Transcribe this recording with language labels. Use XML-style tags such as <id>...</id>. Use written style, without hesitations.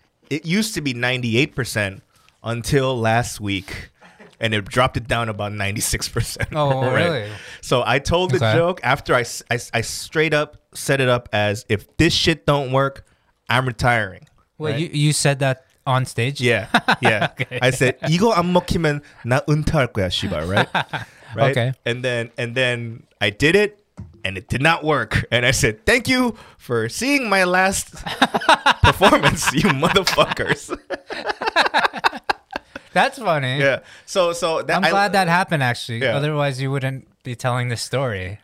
<en>It used to be 98% until last week, and it dropped it down about 96%. Oh, right? Really? So I told the joke after I straight up set it up as, if this shit don't work, I'm retiring. Wait, right? you said that on stage? Yeah, yeah. Okay.</en> <ko>I said, 이거 안 먹히면 나 은퇴할 거야, 시발, right?</ko> <en>Right? Okay. And then I did it. And it did not work. And I said, thank you for seeing my last performance, you motherfuckers. That's funny. Yeah. So, I'm glad that happened, actually. Yeah. Otherwise, you wouldn't be telling this story.</en>